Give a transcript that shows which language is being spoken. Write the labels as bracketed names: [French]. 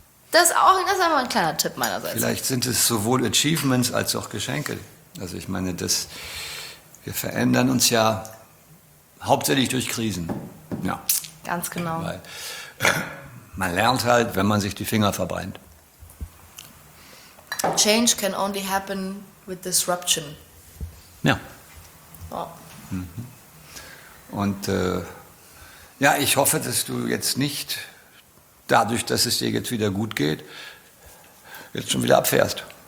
[German] Das ist einfach ein kleiner Tipp meinerseits. Vielleicht sind es sowohl Achievements als auch Geschenke. Also ich meine, wir verändern uns ja hauptsächlich durch Krisen. Ja. Ganz genau. Weil man lernt halt, wenn man sich die Finger verbrennt. [English] Change can only happen with disruption. [German] Ja. Oh. Mhm. Und ich hoffe, dass du jetzt nicht dadurch, dass es dir jetzt wieder gut geht, jetzt schon wieder abfährst.